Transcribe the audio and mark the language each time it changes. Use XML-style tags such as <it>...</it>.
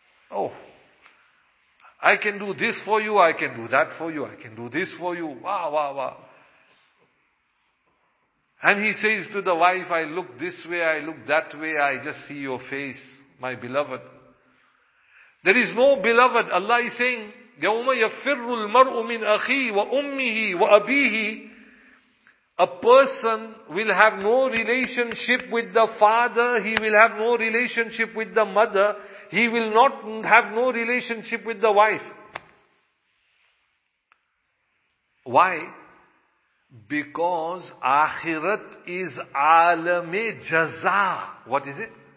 <en>Oh, I can do this for you, I can do that for you, I can do this for you, wah, wah, wah. And he says to the wife, I look this way, I look that way, I just see your face, my beloved. There is no beloved. Allah is saying,</en> <ar>يَوْمَ يَفِرُّ الْمَرْءُ مِنْ أَخِي وَأُمِّهِ وَأَبِيهِ.</ar> <en>A person will have no relationship with the father, he will have no relationship with the mother, he will not have no relationship with the wife. Why? Because akhirat is alame jaza. What is it?</en>